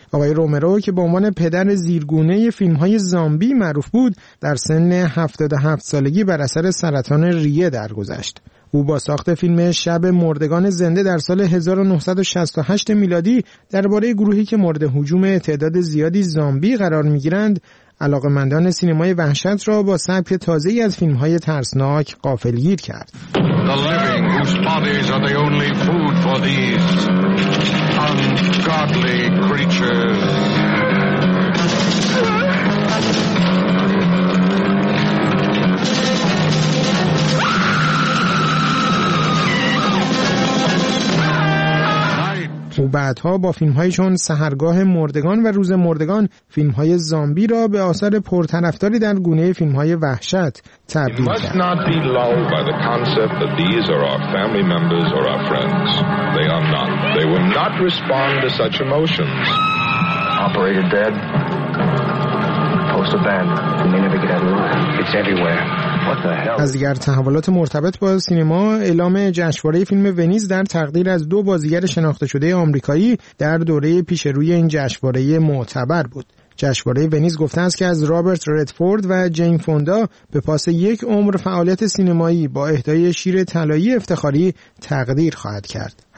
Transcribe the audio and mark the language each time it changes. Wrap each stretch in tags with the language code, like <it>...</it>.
<fa>آقای رومرو که به عنوان پدر زیرگونه فیلمهای زامبی معروف بود، در سن 77 سالگی بر اثر سرطان ریه درگذشت. او با ساخت فیلم شب مردگان زنده در سال 1968 میلادی درباره گروهی که مورد هجوم تعداد زیادی زامبی قرار می‌گیرند، علاقه‌مندان سینمای وحشت را با سبک تازه‌ای از فیلم‌های ترسناک غافلگیر کرد.</fa> <en>The living whose bodies are the only food for these ungodly creatures.</en> <fa>و بعدها با فیلم‌های چون سحرگاه مردگان و روز مردگان فیلم‌های زامبی را به آثار پرطرفداری در گونه فیلم‌های وحشت تبدیل کرد.</fa> <en>Not be lulled by the concept that these are our family members or our friends. They are not. They will not respond to such emotions. Operated dead. Post abandoned. They never get out of line. It's everywhere.</en> <fa>از دیگر تحولات مرتبط با سینما، اعلام جشنواره فیلم ونیز در تقدیر از دو بازیگر شناخته شده آمریکایی در دوره پیش روی این جشنواره معتبر بود. جشنواره ونیز گفته است که از رابرت ردفورد و جین فوندا به پاس یک عمر فعالیت سینمایی با اهدای شیر طلایی افتخاری تقدیر خواهد کرد.</fa>